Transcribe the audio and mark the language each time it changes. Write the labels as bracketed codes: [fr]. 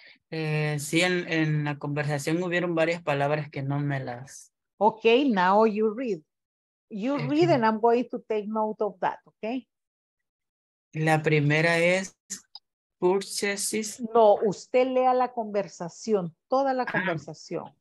[es] Sí, en la conversación hubieron varias palabras que no me las... [en] Okay, now you read. You read and I'm going to take note of that, okay? [es] La primera es purchases. No, usted lea la conversación, toda la conversación.